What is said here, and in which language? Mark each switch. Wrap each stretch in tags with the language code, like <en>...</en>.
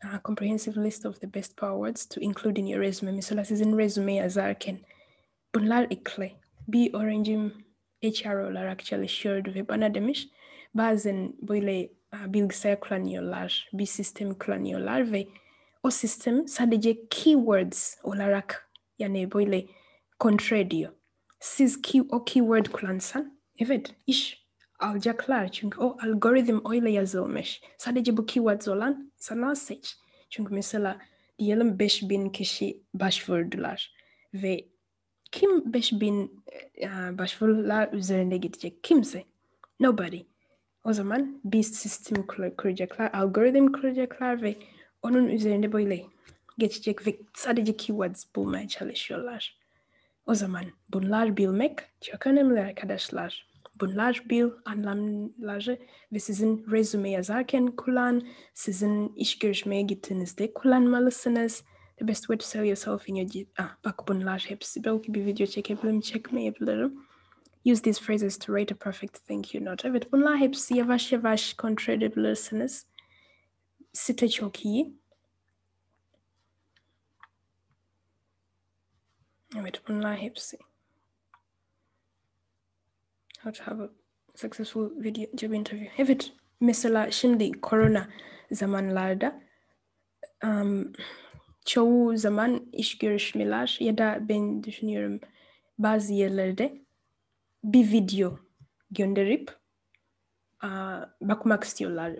<en>A comprehensive list of the best powers to include in your resume.</en> <tr>Mesela sizin resume yazarken bunlar ekle. Bir öğrencim HR olarak çalışıyordu ve bana demiş bazen böyle bilgisayar kullanıyorlar, bir sistem kullanıyorlar ve o sistem sadece keywords olarak yani böyle kontrol ediyor. Siz o keyword kullansan, evet iş alacaklar çünkü o algoritm öyle yazılmış. Sadece bu keywords olan sana seç. Çünkü mesela diyelim 5000 kişi başvurdular ve kim 5000 başvurular üzerinde gidecek? Kimse.</tr> <en>Nobody.</en> <tr>O zaman bir sistem kuracaklar, algoritm kuracaklar ve onun üzerinde böyle geçecek ve sadece keywords bulmaya çalışıyorlar. O zaman bunlar bilmek çok önemli arkadaşlar. Bunlar bil anlamları ve sizin resume yazarken kullan, sizin iş görüşmeye gittiğinizde kullanmalısınız.</tr> <en>The best way to sell yourself in your...</en> <tr>Bak bunlar hepsi. Belki bir video çekebilirim, çekmeyebilirim.</tr> <en>Use these phrases to write a perfect thank you note.</en> <tr>Evet, bunlar hepsi yavaş yavaş kontrol edebilirsiniz. Site çok iyi. Evet, bunlar hepsi.</tr> <en>How to have a successful video job interview.</en> <tr>Evet, mesela şimdi korona zamanlarda çoğu zaman iş görüşmeler ya da ben düşünüyorum bazı yerlerde bir video gönderip bakmak istiyorlar.</tr>